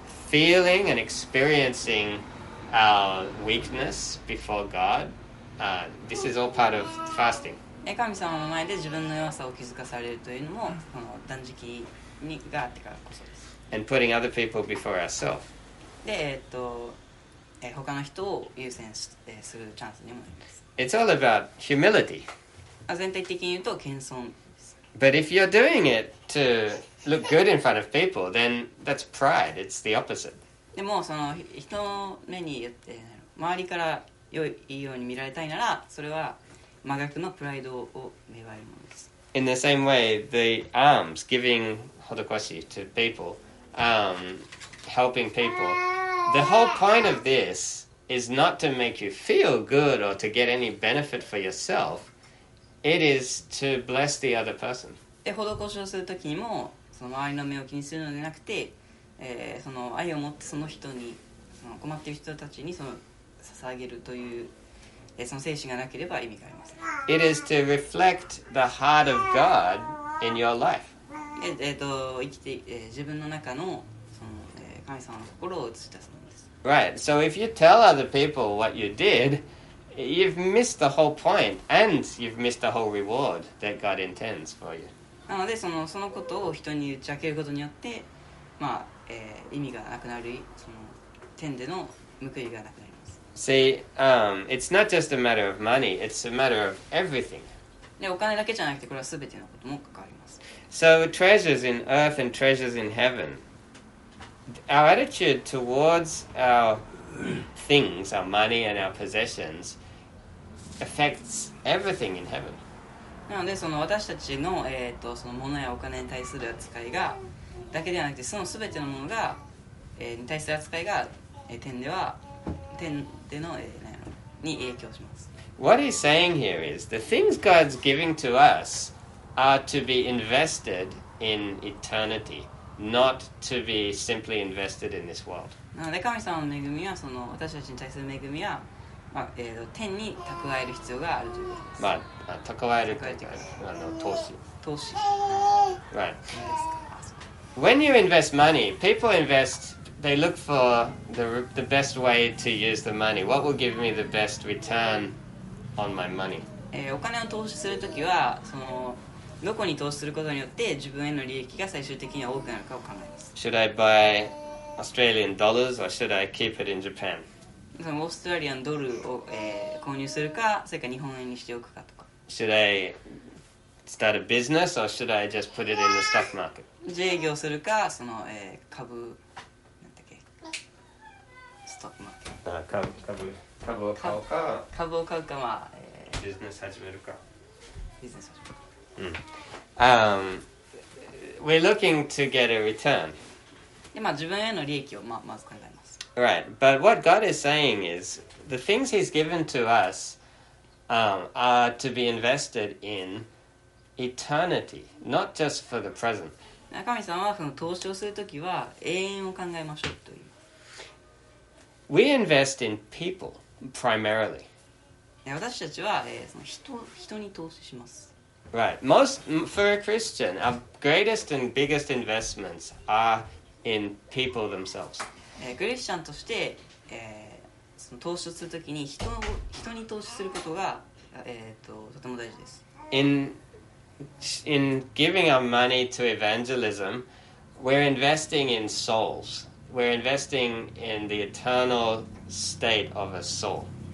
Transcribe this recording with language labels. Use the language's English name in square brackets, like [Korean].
[English] Feeling and experiencing our weakness before God, this is all part of fasting. [Japanese] 神様の前で自分の弱さを気づかされるというのもこの断食にがあってからこそです。 [English] And putting other people before ourselves. [Japanese] で他の人を優先するチャンスにもなります。 [English] It's all about humility. [Japanese] 全体的に言うと謙遜です。 [English] But if you're doing it to look good in front of people, then that's pride. It's the opposite. [Japanese] でもその人の目に言って周りから良いように見られたいなら、それは真逆のプライドを芽生えるものです。 [English] In the same way, the alms, giving hodokoshi to people, helping people. The whole point of this is not to make you feel good or to get any benefit for yourself. It is to bless the other person. [Japanese] で、施しをするときにも、その周りの目を気にするのではなくて、その愛を持ってその人に、その困っている人たちにその捧げるという、その精神がなければ意味がありません。 [English] It is to reflect the heart of God in your life. [Japanese] 生きて、自分の中の、その、神様の心を映したそのです。 [English] Right. So if you tell other people what you did, you've missed the whole point, and you've missed the whole reward that God intends for you. [Japanese] なのでそのことを人に打ち明けることによって、まあ意味がなくなる、その点での報いがなくなります。 [English] See, it's not just a matter of money, it's a matter of everything. [Japanese] で、お金だけじゃなくて、これは全てのことも関わります。 [English] So, treasures in earth and treasures in heaven. Our attitude towards our things, our money and our possessions, affects everything in heaven. [Japanese] なのでその私たちの、その物やお金に対する扱いがだけではなくてその全てのものが、に対する扱いが、点での、に影響します。 [English] What he's saying here is the things God's giving to us are to be invested in eternity, not to be simply invested in this world. [Japanese] なので神様の恵みはその私たちに対する恵みはまあ天に蓄える必要があるということです。まあ蓄えるというか投資。投資。 [English] Right. When you invest money, people invest. They look for the best way to use the money. What will give me the best return on my money? [Japanese] お金を投資するときはそのどこに投資することによって自分への利益が最終的には多くなるかを考えます。 [English] Should I buy Australian dollars or should I keep it in Japan? [Japanese] そのオーストラリアンドルを、購入するか、それか日本円にしておくかとか。 [English] Should I start a business or should I just put it in the stock market? [Japanese] 自営業するか、その、株、なんだっけ、ストックマーケット。株を買うか、まあ、ビジネス始めるか。ビジネス始める。 [English] We're looking to get a return. [Japanese] で、まあ、自分への利益を、まあ、まず考えます。 [English] Right, but what God is saying is the things He's given to us are to be invested in eternity, not just for the present. [Japanese] 神様はその投資をするときは永遠を考えましょうという。 [English] We invest in people primarily. [Japanese] 私たちは、その人に投資します。 [English] Right, most for a Christian, our greatest and biggest investments are in people themselves. [Japanese] クリスチャンとして、その投資をするときに人に投資することが、とても大事です。 [English] In giving our money to evangelism, we're investing in souls. We're investing in the eternal state of a soul.